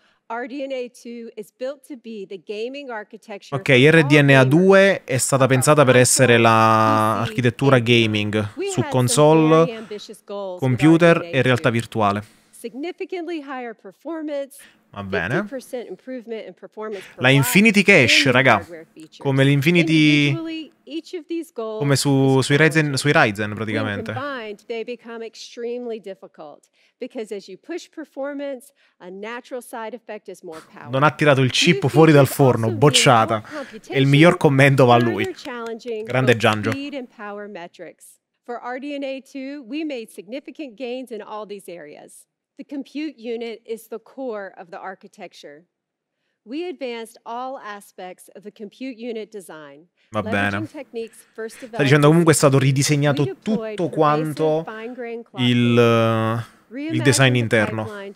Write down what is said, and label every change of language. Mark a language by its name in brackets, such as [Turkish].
[English] RDNA 2 is built to be the gaming architecture. [Italian] Ok, RDNA 2 è stata pensata per essere l'architettura gaming su console, computer e realtà virtuale. [English] Significantly higher performance. [Italian] Va bene. [English] 50% improvement in performance. [Italian] La Infinity Cache, raga. Come l'Infinity, come sui Ryzen praticamente. [English] Combined, they become extremely difficult because as you push performance, a natural side effect is more power. [Italian] Non ha tirato il chip fuori dal forno, bocciata. E il miglior commento va a lui. Grande Giangio. [English] For RDNA 2, we made significant gains in all these areas. The compute unit is the core of the architecture. We advanced all aspects of the compute unit design. [Italian] Va bene. Sta dicendo comunque è stato ridisegnato tutto quanto il design interno.